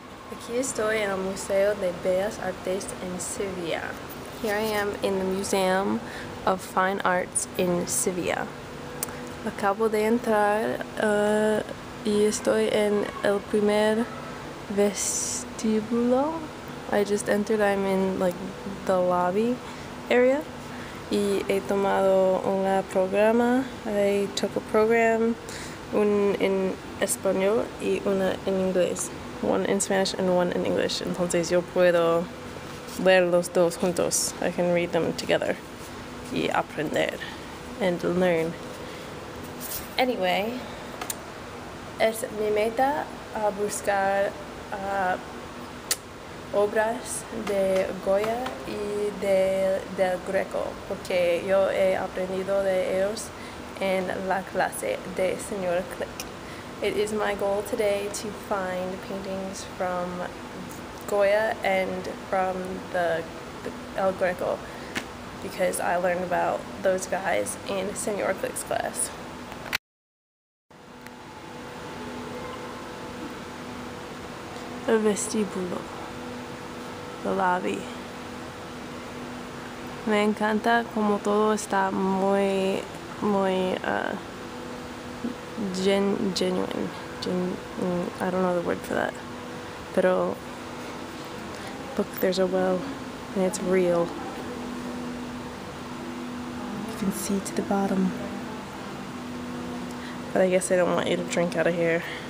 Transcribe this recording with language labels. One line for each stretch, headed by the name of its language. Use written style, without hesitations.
Spanish: Aquí estoy en el Museo de Bellas Artes en Sevilla.
English: Here I am in the Museum of Fine Arts in Sevilla.
Spanish: Acabo de entrar y estoy en el primer vestíbulo.
English: I just entered, I'm in like the lobby area.
Spanish: Y he tomado un programa.
English: I took a program,
Spanish: un en español y una en inglés.
English: One in Spanish and one in English.
Spanish: Entonces yo puedo leer los dos juntos.
English: I can read them together.
Spanish: Y aprender
English: and learn.
Spanish: Anyway, es mi meta a buscar obras de Goya y del Greco, porque yo he aprendido de ellos en la clase de Señor Click.
English: It is my goal today to find paintings from Goya and from the El Greco, because I learned about those guys in Señor Click's class. The vestibulo, the lobby.
Spanish: Me encanta como todo está muy, muy genuine.
English: I don't know the word for that.
Spanish: Pero,
English: look, there's a well, and it's real. You can see to the bottom. But I guess they don't want you to drink out of here.